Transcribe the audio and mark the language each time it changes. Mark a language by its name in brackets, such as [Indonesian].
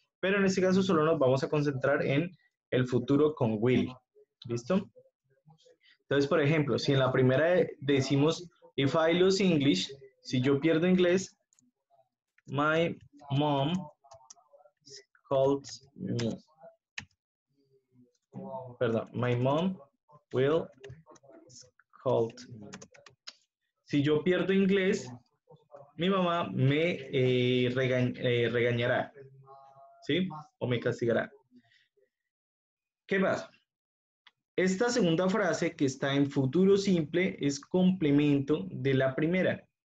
[Spanish] Pero en este caso solo nos vamos a concentrar en el futuro con will. ¿Listo? Entonces, por ejemplo, si en la primera decimos, [English] if I lose English, [Spanish] si yo pierdo inglés, [English] my mom scolds me. [Spanish] Perdón, [English] my mom will scold me. [Spanish] Si yo pierdo inglés, mi mamá me regañará, ¿sí? O me castigará. ¿Qué pasa? Esta segunda frase que está en futuro simple es complemento de la primera.